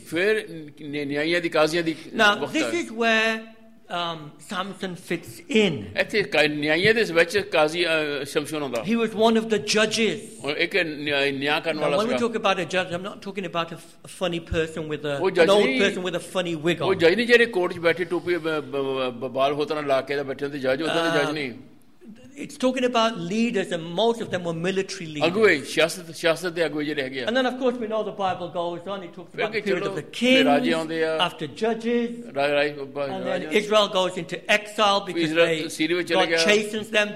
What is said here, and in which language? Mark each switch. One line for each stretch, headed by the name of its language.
Punjabi: ਫਿਰ ਨਿਆਂਇਆਂ ਦੀ ਕਾਜ਼ੀਆਂ ਦੀ
English: now this is where Samson fits in.
Punjabi: ਇੱਥੇ ਨਿਆਂਇਆਂ ਦੇ ਵਿੱਚ ਕਾਜ਼ੀ ਸ਼ਮਸ਼ੂਨ ਹੁੰਦਾ.
English: He was one of the judges.
Punjabi: ਇੱਕ ਨਿਆਂ ਕਰਨ ਵਾਲਾ ਸੀ.
English: When we talk about a judge, I'm not talking about a funny person with an old person with a funny wig on.
Punjabi: ਉਹ ਜੱਜ ਨਹੀਂ ਜਿਹੜੇ ਕੋਰਟ 'ਚ ਬੈਠੇ ਟੋਪੀ ਬਾਲ ਹੋਤਰਾ ਲਾ ਕੇ ਬੈਠੇ ਹੁੰਦੇ ਜੱਜ, ਉਹਦਾ ਜੱਜ ਨਹੀਂ.
English: It's talking about leaders, and most of them were military leaders. And then, of course, we know the Bible goes on. It talks about the period of the kings, after judges, and then Israel goes into exile because God chastens them.